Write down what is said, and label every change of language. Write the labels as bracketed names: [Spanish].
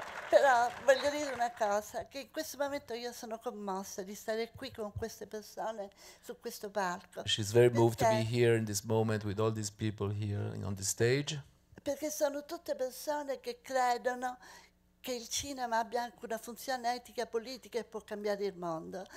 [Italian] Però voglio dire una cosa, che in questo momento io sono commossa di stare qui con queste persone su questo palco. [English] She's very moved to be here in this moment with all these people here on the stage. [Italian] Perché sono tutte persone che credono che il cinema abbia anche una funzione etica, politica e può cambiare il mondo.